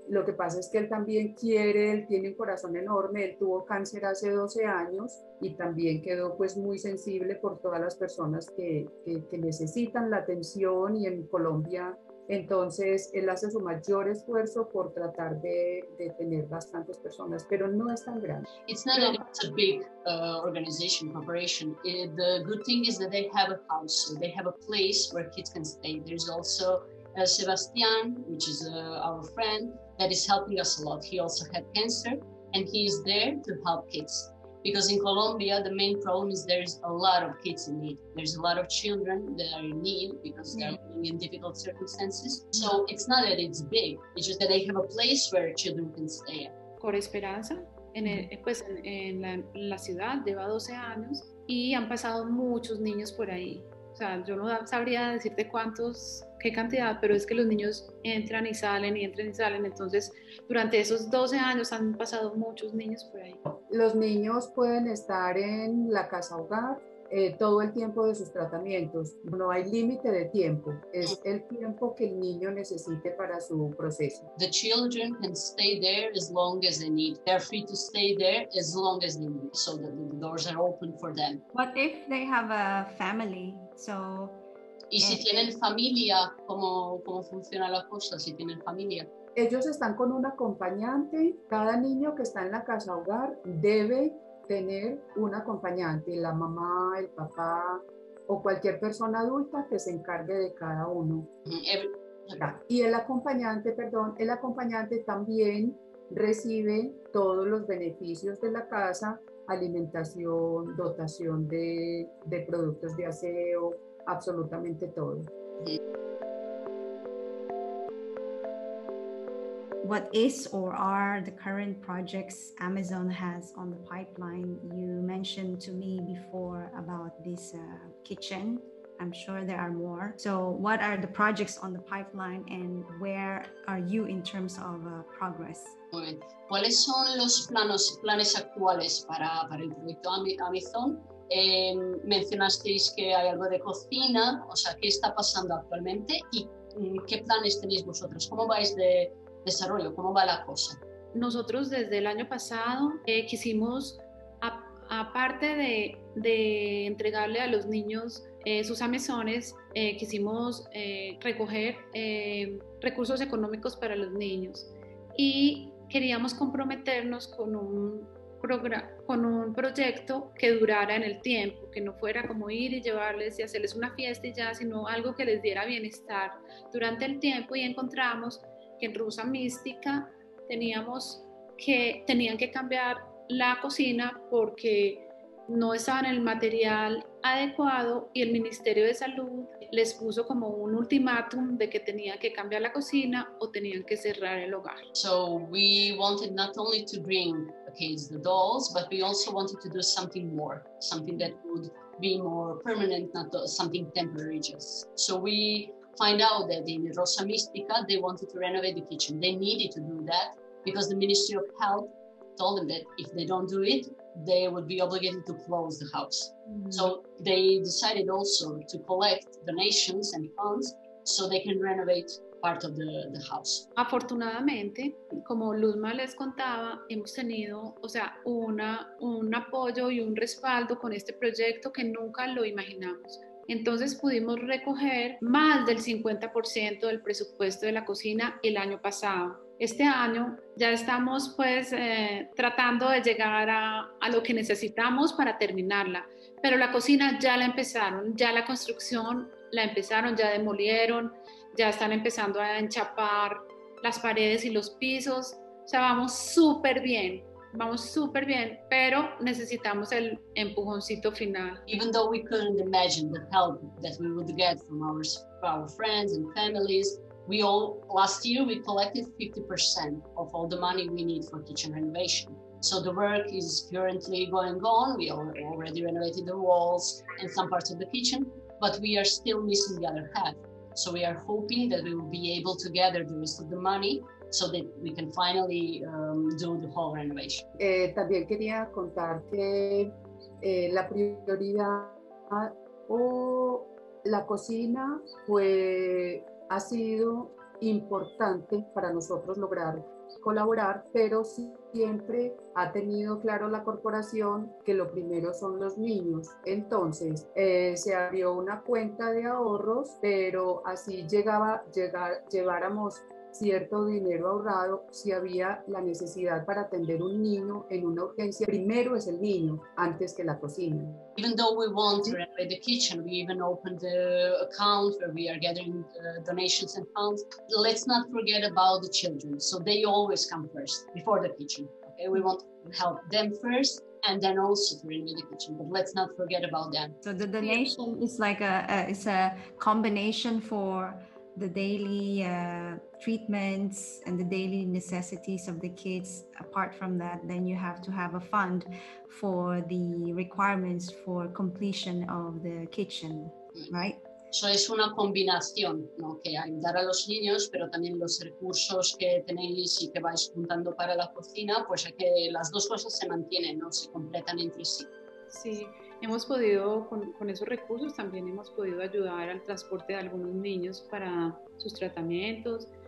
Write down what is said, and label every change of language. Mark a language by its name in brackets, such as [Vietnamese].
[Spanish] Lo que pasa es que él también quiere, él tiene un corazón enorme, él tuvo cáncer hace 12 años y también quedó pues muy sensible por todas las personas que necesitan la atención, y en Colombia, entonces él hace su mayor esfuerzo por tratar de tener bastantes personas, pero no es tan grande. [English] It's not a big organization, corporation. The good thing is that they have a house, so they have a place where kids can stay. There's also Sebastian, which is our friend, that is helping us a lot. He also had cancer and he is there to help kids. Because in Colombia, the main problem is there's a lot of kids in need. There's a lot of children that are in need because they're living in difficult circumstances. So it's not that it's big, it's just that they have a place where children can stay. [Spanish] Cor Esperanza, en la ciudad, lleva 12 años y han pasado muchos niños por ahí. O sea, yo no sabría decirte cuántos, qué cantidad, pero es que los niños entran y salen y entran y salen. Entonces, durante esos 12 años han pasado muchos niños por ahí. Los niños pueden estar en la casa hogar todo el tiempo de sus tratamientos. No hay límite de tiempo. Es el tiempo que el niño necesite para su proceso. [English] The children can stay there as long as they need. They're free to stay there as long as they need, so that the doors are open for them. What if they have a family? So, [Spanish] ¿y si tienen familia? ¿Cómo funciona la cosa si tienen familia? Ellos están con un acompañante. Cada niño que está en la casa hogar debe tener un acompañante, la mamá, el papá o cualquier persona adulta que se encargue de cada uno. Y el acompañante también recibe todos los beneficios de la casa: alimentación, dotación de productos de aseo, absolutamente todo. [English] What is or are the current projects Amazon has on the pipeline? You mentioned to me before about this kitchen. I'm sure there are more. So what are the projects on the pipeline and where are you in terms of progress? [Spanish] ¿Cuáles son los planes actuales para el proyecto Amazon? Mencionasteis que hay algo de cocina. O sea, ¿qué está pasando actualmente? ¿Y qué planes tenéis vosotros? ¿Cómo vais de desarrollo? ¿Cómo va la cosa? Nosotros desde el año pasado quisimos, aparte de entregarle a los niños sus amazones, quisimos recoger recursos económicos para los niños, y queríamos comprometernos con un proyecto que durara en el tiempo, que no fuera como ir y llevarles y hacerles una fiesta y ya, sino algo que les diera bienestar durante el tiempo. Y encontramos que en Rusa Mística tenían que cambiar la cocina porque no estaban en el material adecuado, y el Ministerio de Salud les puso como un ultimátum de que tenían que cambiar la cocina o tenían que cerrar el hogar. [English] So we wanted not only to bring the kids the dolls, but we also wanted to do something more, something that would be more permanent, not something temporary just. So we find out that in Rosa Mística they wanted to renovate the kitchen. They needed to do that because the Ministry of Health told them that if they don't do it, they would be obligated to close the house. Mm-hmm. So they decided also to collect donations and funds so they can renovate part of the house. [Spanish] Afortunadamente, como Luzma les contaba, hemos tenido, o sea, un apoyo y un respaldo con este proyecto que nunca lo imaginamos. Entonces pudimos recoger más del 50% del presupuesto de la cocina el año pasado. Este año ya estamos pues tratando de llegar a lo que necesitamos para terminarla, pero la cocina ya la empezaron, ya la construcción la empezaron, ya demolieron, ya están empezando a enchapar las paredes y los pisos. O sea, vamos súper bien, pero necesitamos el empujoncito final. [English] Even though we couldn't imagine the help that we would get from our friends and families, we all, last year, we collected 50% of all the money we need for kitchen renovation. So the work is currently going on. We already renovated the walls and some parts of the kitchen, but we are still missing the other half. So we are hoping that we will be able to gather the rest of the money so that we can finally do the whole renovation. [Spanish] También quería contar que la prioridad o la cocina ha sido importante para nosotros lograr colaborar, pero siempre ha tenido claro la corporación que lo primero son los niños. Entonces, se abrió una cuenta de ahorros, pero así lleváramos cierto dinero ahorrado, si había la necesidad para atender un niño en una urgencia, primero es el niño antes que la cocina. [English] Even though we want to renovate the kitchen, we even opened the account where we are gathering donations and funds. Let's not forget about the children, so they always come first before the kitchen. Okay, we want to help them first and then also to renovate the kitchen, but let's not forget about them. So the donation is like a combination for the daily treatments and the daily necessities of the kids. Apart from that, then you have to have a fund for the requirements for completion of the kitchen, right? [Spanish] So es una combinación, ¿no? Que ayudar a los niños, pero también los recursos que tenéis y que vais juntando para la cocina, pues es que las dos cosas se mantienen, ¿no? Se completan entre sí. Sí, hemos podido, con esos recursos también hemos podido ayudar al transporte de algunos niños para sus tratamientos.